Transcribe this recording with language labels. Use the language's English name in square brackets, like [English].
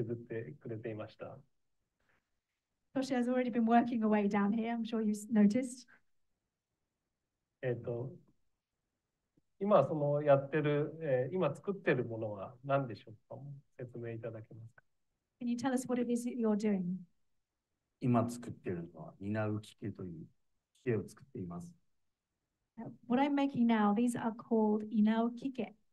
[Japanese] え、先ほどから一人で黙々と稲を削ってくれていました。Toshi [English] has already been working away down here. I'm sure you noticed. [Japanese] えっと、今そのやってる、今作ってるものは何でしょうか？説明いただけますか？ [English] Can you tell us what it is that you're doing? [Japanese] 今作ってるのは稲浮きけという木を作っています。 [English] What I'm making now, these are called inaw-kike.